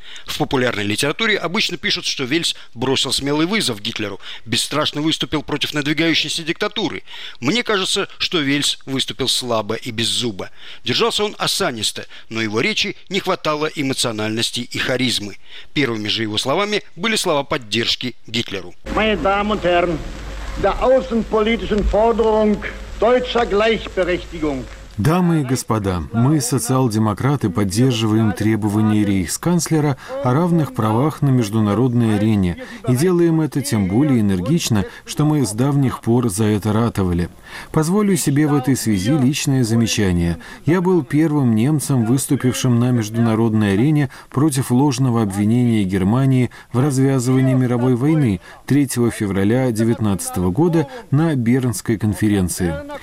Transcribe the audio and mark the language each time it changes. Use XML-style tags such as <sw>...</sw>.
<ru>В популярной литературе обычно пишут, что Вельс бросил смелый вызов Гитлеру, бесстрашно выступил против надвигающейся диктатуры. Мне кажется, что Вельс выступил слабо и беззубо. Держался он осанисто, но его речи не хватало эмоциональности и харизмы. Первыми же его словами были слова поддержки Гитлеру.</ru> <de>Meine Damen und Herren, der außenpolitischen Forderung deutscher Gleichberechtigung.</de> <ru>Дамы и господа, мы, социал-демократы, поддерживаем требования рейхсканцлера о равных правах на международной арене. И делаем это тем более энергично, что мы с давних пор за это ратовали. Позволю себе в этой связи личное замечание. Я был первым немцем, выступившим на международной арене против ложного обвинения Германии в развязывании мировой войны 3 февраля 1919 года на Бернской конференции.</ru>